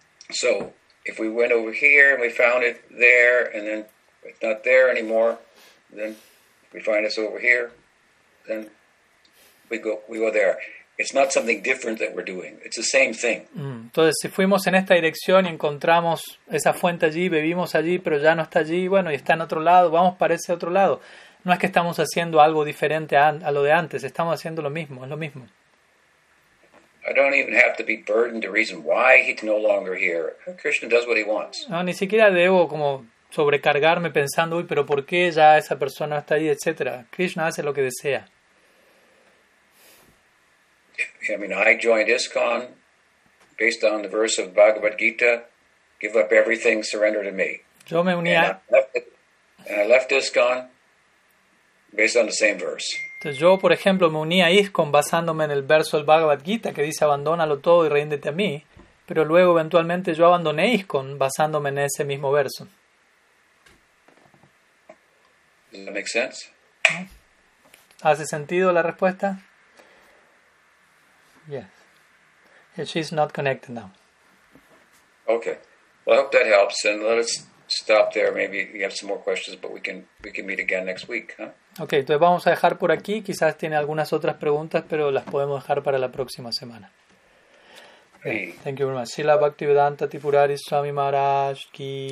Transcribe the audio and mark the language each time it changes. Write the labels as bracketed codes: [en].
[en] So if we went over here and we found it there and then it's not there anymore, then we find us over here, then we go there. It's not something different that we're doing. It's the same thing. [es] Entonces, si fuimos en esta dirección y encontramos esa fuente allí, bebimos allí, pero ya no está allí, bueno, y está en otro lado, vamos para ese otro lado. No es que estamos haciendo algo diferente a lo de antes, estamos haciendo lo mismo, es lo mismo. [en] I don't even have to be burdened to reason why he's no longer here. Krishna does what he wants. [es] No, ni siquiera debo como sobrecargarme pensando, uy, pero ¿por qué ya esa persona está ahí, etcétera? Krishna hace lo que desea. [en] I mean, I joined ISKCON based on the verse of Bhagavad Gita, give up everything, surrender to me. [es] Yo me uní [en] and I left ISKCON based on the same verse. [es] Entonces yo, por ejemplo, me uní a ISKCON basándome en el verso del Bhagavad Gita que dice, abandónalo todo y ríndete a mí, pero luego eventualmente yo abandoné ISKCON basándome en ese mismo verso. [en] Does that make sense? [es] ¿Hace sentido la respuesta? [en] Yes. And she's not connected now. Okay. Well, I hope that helps. And let us stop there. Maybe you have some more questions, but we can meet again next week, huh? [es] Okay. Entonces vamos a dejar por aquí. Quizás tiene algunas otras preguntas, pero las podemos dejar para la próxima semana. [en] Okay. Thank you very much. Srila Bhaktivedanta Tipurari Swami Maharaj Ki.